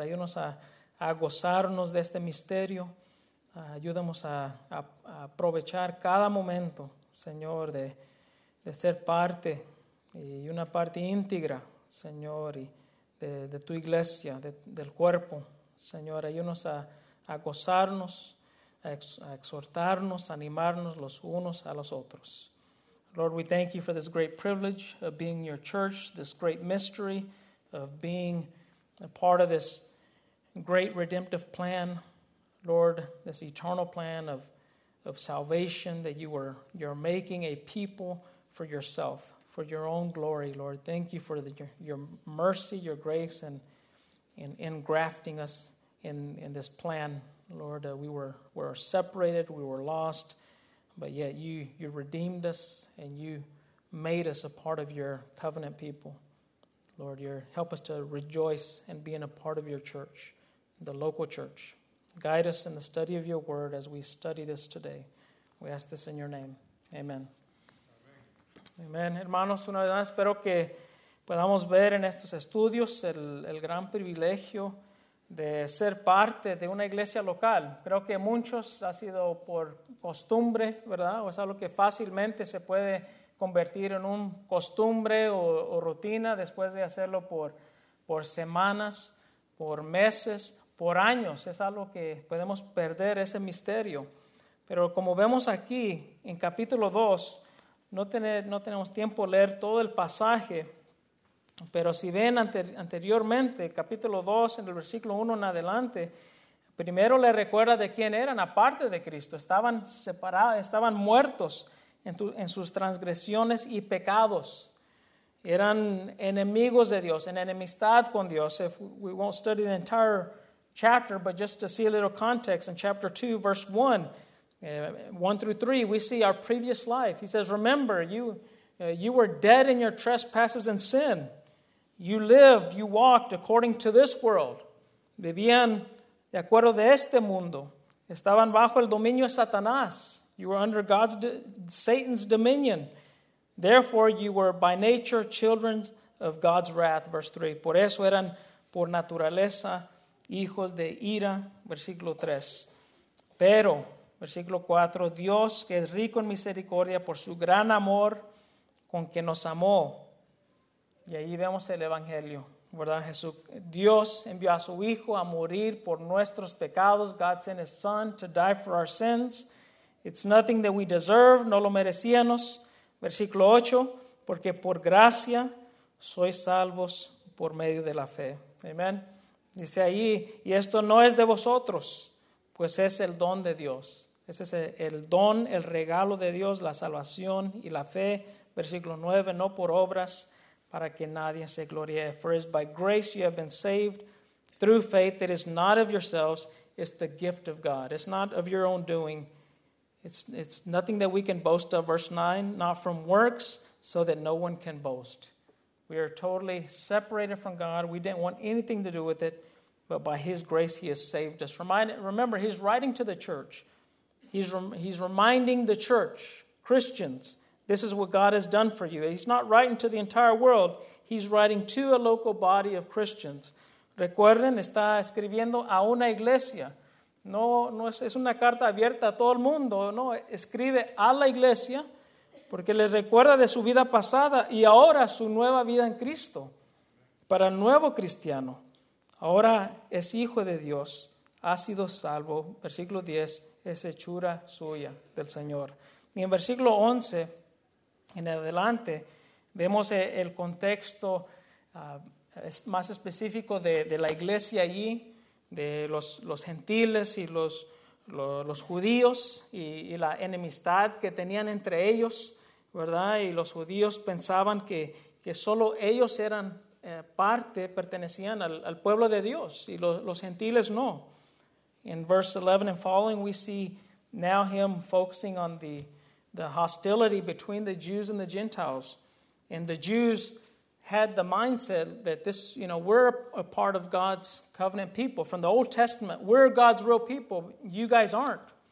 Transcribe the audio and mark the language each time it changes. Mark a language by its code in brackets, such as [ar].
[es] Ayúdanos a gozarnos de este misterio. Ayúdanos a aprovechar cada momento, Señor, de ser parte y una parte íntegra, Señor, y de tu iglesia, del cuerpo. Señor, ayúdanos a gozarnos, a exhortarnos, a animarnos los unos a los otros. [en] Lord, we thank you for this great privilege of being your church, this great mystery of being a part of this great redemptive plan, Lord, this eternal plan of salvation, that you're making a people for yourself, for your own glory, Lord. Thank you for your mercy, your grace, and in grafting us in this plan, Lord. We were separated, we were lost, but yet you redeemed us and you made us a part of your covenant people. Lord, help us to rejoice in being a part of your church, the local church. Guide us in the study of your word as we study this today. We ask this in your name. Amen. Amen. Amen. [es] Hermanos, una vez más, espero que podamos ver en estos estudios el gran privilegio de ser parte de una iglesia local. Creo que muchos ha sido por costumbre, ¿verdad? O es algo que fácilmente se puede convertir en un costumbre o rutina después de hacerlo por semanas, por meses, por años. Es algo que podemos perder ese misterio. Pero como vemos aquí en capítulo 2, no tenemos tiempo de leer todo el pasaje. Pero si ven anteriormente, capítulo 2, en el versículo 1 en adelante, primero le recuerda de quién eran, aparte de Cristo. Estaban separados, estaban muertos en sus transgresiones y pecados. Eran enemigos de Dios, en enemistad con Dios. [en] If we won't study the entire chapter, but just to see a little context, in chapter 2, verse 1 through 3, we see our previous life. He says, remember, you were dead in your trespasses and sin. You lived, you walked according to this world. [es] Vivían de acuerdo de este mundo. Estaban bajo el dominio de Satanás. [en] You were under Satan's dominion. Therefore, you were by nature children of God's wrath. Verse 3. [es] Por eso eran por naturaleza hijos de ira. Versículo 3. Pero, versículo 4. Dios, que es rico en misericordia por su gran amor con que nos amó. Y ahí vemos el evangelio, ¿verdad? Jesús, Dios envió a su Hijo a morir por nuestros pecados. [en] God sent his Son to die for our sins. It's nothing that we deserve. [es] No lo merecíamos. Versículo 8, porque por gracia sois salvos por medio de la fe. Amén. Dice ahí, y esto no es de vosotros, pues es el don de Dios. Ese es el don, el regalo de Dios, la salvación y la fe. Versículo 9, no por obras, para que nadie se gloríe. [en] For it's by grace you have been saved through faith. It is not of yourselves, it's the gift of God. It's not of your own doing. It's nothing that we can boast of. Verse 9, not from works, so that no one can boast. We are totally separated from God. We didn't want anything to do with it, but by his grace he has saved us. Remember, he's writing to the church. He's reminding the church, Christians, this is what God has done for you. He's not writing to the entire world. He's writing to a local body of Christians. [es] Recuerden, está escribiendo a una iglesia. No es una carta abierta a todo el mundo, no, escribe a la iglesia porque les recuerda de su vida pasada y ahora su nueva vida en Cristo. Para el nuevo cristiano, ahora es hijo de Dios, ha sido salvo, versículo 10, es hechura suya del Señor. Y en versículo 11 en adelante vemos el contexto más específico de la iglesia allí, de los gentiles y los judíos y la enemistad que tenían entre ellos, ¿verdad? Y los judíos pensaban que solo ellos eran pertenecían al pueblo de Dios y los gentiles no. [en] In verse 11 and following, we see now him focusing on the hostility between the Jews and the Gentiles. And the Jews had the mindset that this, you know, we're a part of God's covenant people. From the Old Testament, we're God's real people. You guys aren't.